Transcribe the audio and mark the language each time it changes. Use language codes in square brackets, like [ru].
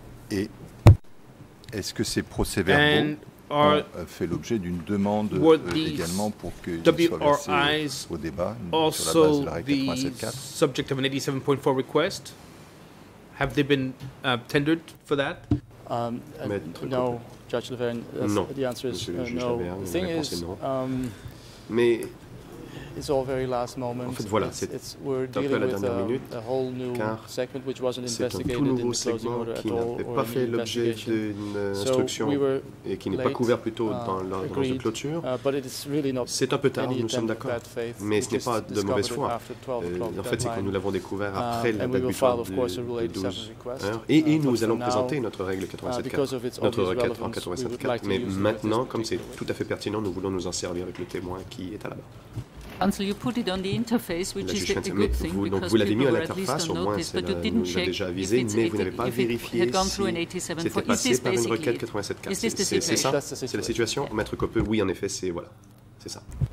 [fr] Et est-ce que ces procès-verbaux ont fait l'objet d'une demande également pour que soient versés au débat sur la base de la règle 87.4? [en] Subject of an 87.4 request, have they been tendered for that? No, Judge Lavergne. [fr] Non. [en] The answer is no. The thing is, [fr] mais [en] it's all very last moment. [fr] En fait, voilà, [en] it's we're dealing with a whole new segment which wasn't investigated in the closing order at all or [fr] pas fait l'objet d'une instruction et qui n'est pas couvert plutôt dans l'ordre de clôture. [en] But it's really not [fr] c'est un peu tard, nous sommes d'accord, mais ce n'est pas de mauvaise foi. En fait, c'est que nous l'avons découvert après la date butoir de 12h. Et nous allons présenter notre règle 87.4, notre requête en 87.4. Mais maintenant, comme c'est tout à fait pertinent, nous voulons nous en servir avec le témoin qui est à la barre. [en] Until you put it on the interface, which is a good thing, because people were at least on notice, but you didn't check if it had gone through an 87.4. Is this basically it? Is this the situation? [fr] C'est la situation. Maître Coppe, oui, en effet, c'est, voilà, c'est ça.